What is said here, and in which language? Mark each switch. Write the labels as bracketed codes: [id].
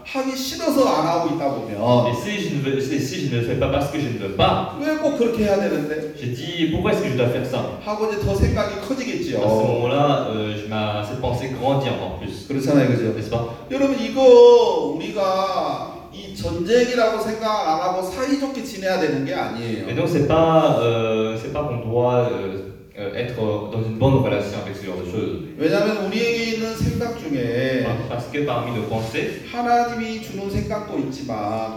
[ko] 하기 싫어서 안 하고 있다 보면. [fr] Et si je ne le fais pas parce que je ne veux pas. [ko] 왜 꼭 그렇게 해야 되는데? [fr] J'ai dit pourquoi est-ce que je dois faire ça? [ko] 하고 이제 더 생각이 커지겠죠. [fr] À ce moment-là, cette pensée grandit encore plus. [ko] 그렇잖아요, 그죠? [fr] N'est-ce pas? [ko] 여러분 이거 우리가 이 전쟁이라고 생각 안 하고 사이좋게 지내야 되는 게 아니에요. [fr] Et donc c'est pas qu'on doit être dans une bonne relation avec ce genre de choses. [ko] 왜냐면 우리에게 있는 생각 중에 [fr] parce que parmi nos pensées [ko] 하나님이 주는 생각도 있지만